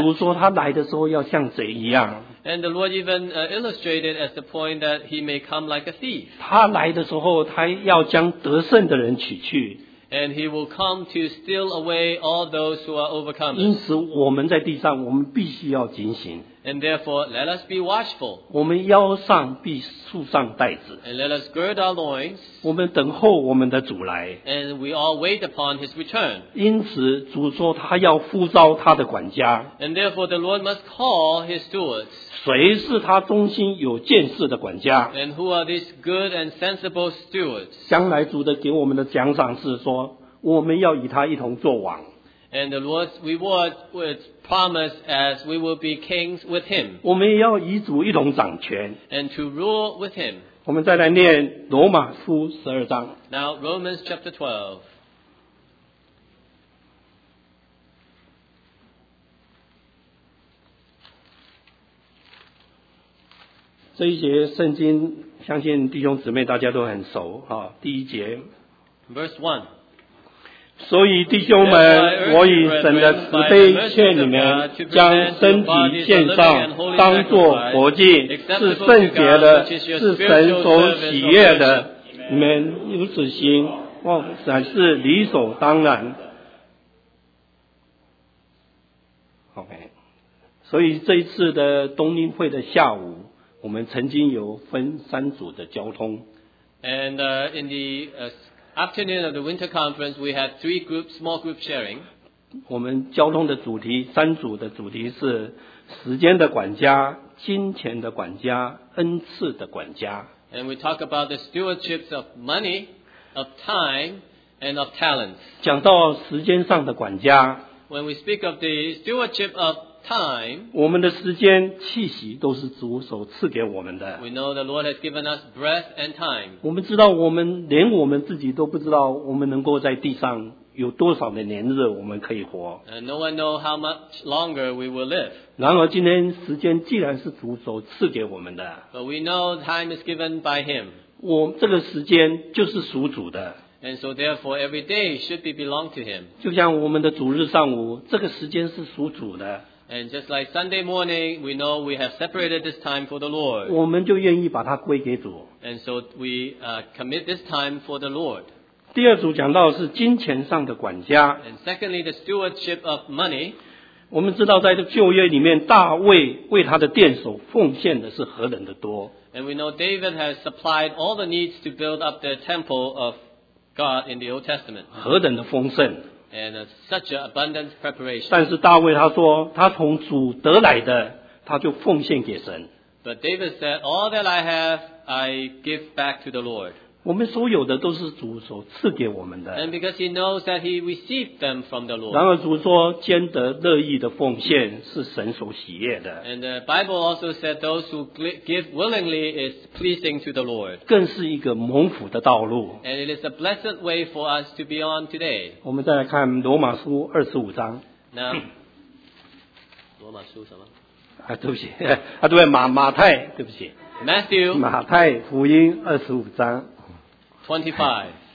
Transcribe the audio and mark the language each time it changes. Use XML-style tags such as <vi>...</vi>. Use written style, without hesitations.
<zh>主说他来的时候要像贼一样。</zh> <en>And the Lord even illustrated as the point that he may come like a thief.</en> <zh>他来的时候，他要将得胜的人取去。</zh> <en>And he will come to steal away all those who are overcome.</en> <zh>因此，我们在地上，我们必须要警醒。</zh> <en>And therefore, let us be watchful.</en> <zh>我们腰上必束上带子。</zh> <en>And let us gird our loins.</en> <zh>我们等候我们的主来。</zh> <en>And we all wait upon his return.</en> <zh>因此，主说他要呼召他的管家。</zh> <en>And therefore, the Lord must call his stewards.</en> <zh>谁是他忠心有见识的管家？</zh> <en>And who are these good and sensible stewards?</en> <zh>将来主的给我们的奖赏是说，我们要与他一同作王。</zh> <en>And the Lord's reward was promised as we will be kings with him.</en> <zh>我们要与主一同掌权。</zh> <en>And to rule with him.</en> <zh>我们再来念罗马书十二章。</zh> <en>Now Romans chapter 12.</en> <zh>这一节圣经相信弟兄姊妹大家都很熟，第一节。</zh> <en>Verse 1.</en> <zh>所以弟兄们，我以神的慈悲劝你们，将身体献上，当作活祭，是圣洁的，是神所喜悦的。你们如此行，乃是理所当然。 OK， 所以这一次的冬令会的下午，我们曾经有分三组的交通。</zh> <en>And in the afternoon of the winter conference, we had three groups, small group sharing.</en> <zh>我们交通的主题，三组的主题是时间的管家、金钱的管家、恩赐的管家。</zh> <en>And we talk about the stewardships of money, of time, and of talents.</en> <zh>讲到时间上的管家。</zh> <en>When we speak of the stewardship of time,</en> <zh>我们的时间、气息都是主所赐给我们的。</zh> <en>We know the Lord has given us breath and time.</en> <zh>我们知道，我们连我们自己都不知道，我们能够在地上有多少的年日，我们可以活。</zh> <en>And no one knows how much longer we will live.</en> <zh>然而，今天时间既然是主所赐给我们的</zh> <en>，But we know time is given by Him.</en> <zh>我这个时间就是属主的。</zh> <en>And so therefore every day should be belong to Him.</en> <zh>就像我们的主日上午，这个时间是属主的。</zh> <en>And just like Sunday morning, we know we have separated this time for the Lord.</en> <zh>我们就愿意把它归给主。</zh> <en>And so we commit this time for the Lord.</en> <zh>第二组讲到是金钱上的管家。</zh> <en>And secondly, the stewardship of money.</en> <zh>我们知道在旧约里面，大卫为他的殿所奉献的是何等的多。</zh> <en>And we know David has supplied all the needs to build up the temple of God in the Old Testament.</en> <zh>何等的丰盛。</zh> <en>And such an abundant preparation.</en> <zh>但是大卫他说，他从主得来的，他就奉献给神。</zh> <en>But David said, "All that I have, I give back to the Lord."</en> <zh>我们所有的都是主所赐给我们的。</zh> <en>And because he knows that he received them from the Lord.</en> <zh>然而主说，坚得乐意的奉献是神所喜悦的。</zh> <en>And the Bible also said, "Those who give willingly is pleasing to the Lord."</en> <zh>更是一个蒙福的道路。</zh> <en>And it is a blessed way for us to be on today.</en> <zh>我们再来看罗马书二十五章。那罗马书什么？啊，对不起，啊，对，马太，对不起。</zh> <en>Matthew.</en> <zh>马太福音二十五章。</zh> <en>25.</en>